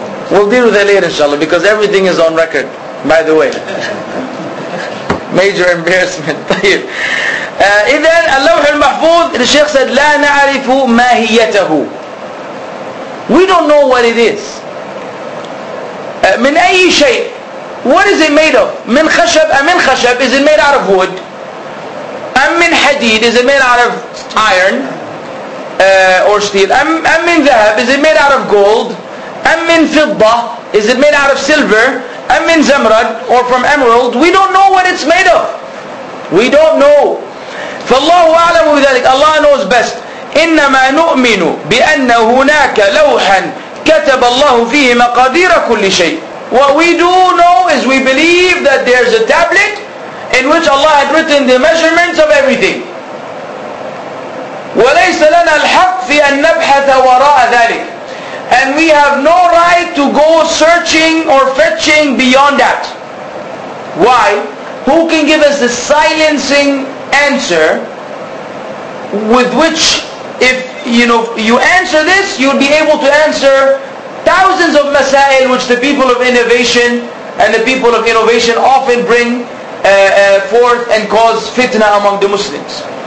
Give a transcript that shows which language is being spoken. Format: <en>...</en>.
<en>We'll deal with that later, inshallah, because everything is on record, by the way. Major embarrassment.</en> <ar>إذن اللوح المحفوظ,</ar> <en>the Shaykh said,</en> <ar>لا نعرف ماهيته.</ar> <en>We don't know what it is.</en> <ar>من أي شيء.</ar> <en>What is it made of?</en> <ar>من خشب, أم من خشب,</ar> <en>is it made out of wood?</en> <ar>أم من حديد,</ar> <en>is it made out of iron? Or steel?</en> <ar>أم من ذهب,</ar> <en>is it made out of gold?</en> <ar>أم من فضة,</ar> <en>is it made out of silver?</en> <ar>أم من زمرد,</ar> <en>or from emerald? We don't know what it's made of. We don't know.</en> <ar>فالله أعلم بذلك.</ar> <en>Allah knows best.</en> <ar>إنما نؤمن بأن هناك لوحا كتب الله فيه مقادير كل شيء.</ar> <en>What we do know is we believe that there's a tablet in which Allah had written the measurements of everything.</en> <ar>وليس لنا الحق في أن نبحث وراء ذلك.</ar> <en>And we have no right to go searching or fetching beyond that. Why? Who can give us the silencing answer with which if you know you answer this, you'll be able to answer thousands of masail which the people of innovation and the people of innovation often bring forth and cause fitna among the Muslims.</en>